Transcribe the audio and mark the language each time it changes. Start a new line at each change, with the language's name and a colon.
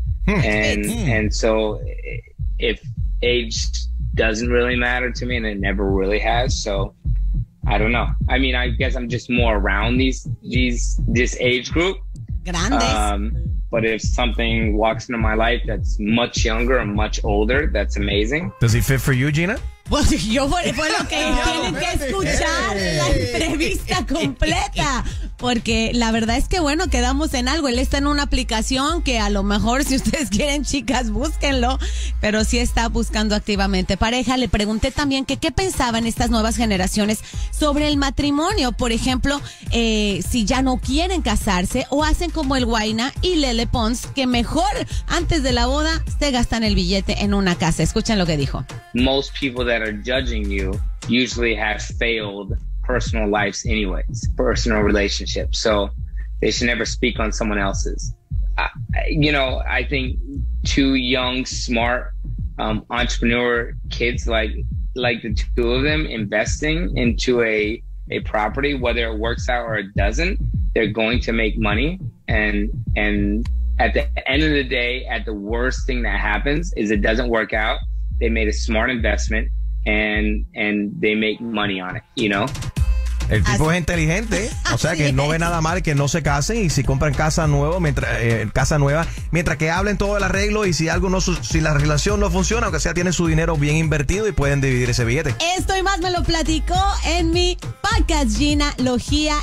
English: And so if age doesn't really matter to me, and it never really has, so I don't know. I mean, I guess I'm just more around this age group.
Spanish: Grandes.
English: But if something walks into my life that's much younger or much older, that's amazing. Does he fit for you, Gina?
Spanish: Pues yo fue lo que tienen que escuchar la entrevista completa, porque la verdad es que bueno, quedamos en algo. Él está en una aplicación que a lo mejor, si ustedes quieren, chicas, búsquenlo, pero sí está buscando activamente pareja. Le pregunté también que qué pensaban estas nuevas generaciones sobre el matrimonio, por ejemplo, si ya no quieren casarse o hacen como el Guayna y Lele Pons, que mejor antes de la boda se gastan el billete en una casa. Escuchen lo que dijo.
English: Most people that are judging you usually have failed personal lives anyways, personal relationships, so they should never speak on someone else's. I think two young, smart entrepreneur kids like the two of them investing into a property, whether it works out or it doesn't, they're going to make money. And at the end of the day, at the worst thing that happens is it doesn't work out, they made a smart investment and they make money on it, you know?
Spanish: El tipo así es inteligente, o sea que no ve nada mal que no se casen, y si compran casa nueva, mientras que hablen todo el arreglo, y si la relación no funciona, aunque sea, tienen su dinero bien invertido y pueden dividir ese billete. Esto y más me lo platicó en mi podcast Gina Logía.